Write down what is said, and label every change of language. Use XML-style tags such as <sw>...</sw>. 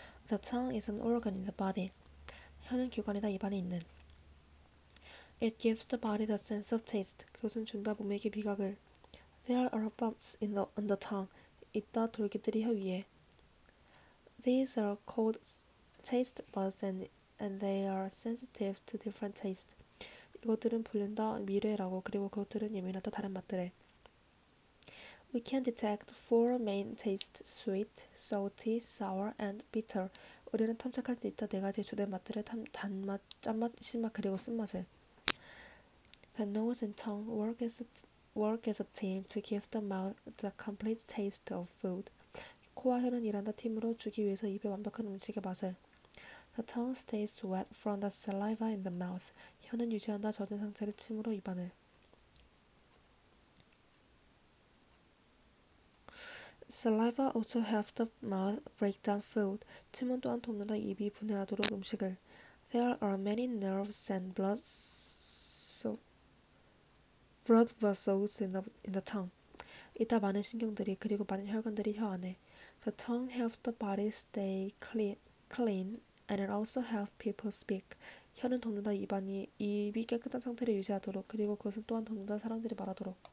<en>The tongue is an organ in the body.</en> <ko>혀는 기관이다, 입안에 있는.</ko> <en>It gives the body the sense of taste.</en> <ko>그것은 준다, 몸에게 미각을.</ko> <en>There are bumps in the, on the tongue.</en> <ko>있다, 돌기들이 혀 위에.</ko> <en>These are called taste buds and they are sensitive to different taste.</en> <ko>이것들은 불린다, 미뢰라고. 그리고 그것들은 예민하다, 다른 맛들에.</ko> <en>We can detect four main tastes: sweet, salty, sour, and bitter.</en> <ko>우리는 탐색할 수 있다. 네 가지 주된 맛들의 단맛, 짠맛, 신맛, 그리고 쓴맛을.</ko> <en>The nose and tongue work as a team to give the mouth the complete taste of food.</en> <ko>코와 혀는 일한다. 팀으로 주기 위해서 입에 완벽한 음식의 맛을.</ko> <en>The tongue stays wet from the saliva in the mouth.</en> <ko>혀는 유지한다. 젖은 상태로 침으로 입안을.</ko> <en>Saliva also helps the mouth break down food.</en> <ko>침은 또한 돕는다. 입이 분해하도록 음식을.</ko> <en>There are many nerves and blood vessels in the tongue.</en> <ko>있다 많은 신경들이 그리고 많은 혈관들이 혀 안에.</ko> <en>The tongue helps the body stay clean, and it also helps people speak.</en> <ko>혀는 돕는다. 입이 깨끗한 상태를 유지하도록 그리고 그것은 또한 돕는다. 사람들이 말하도록.</ko>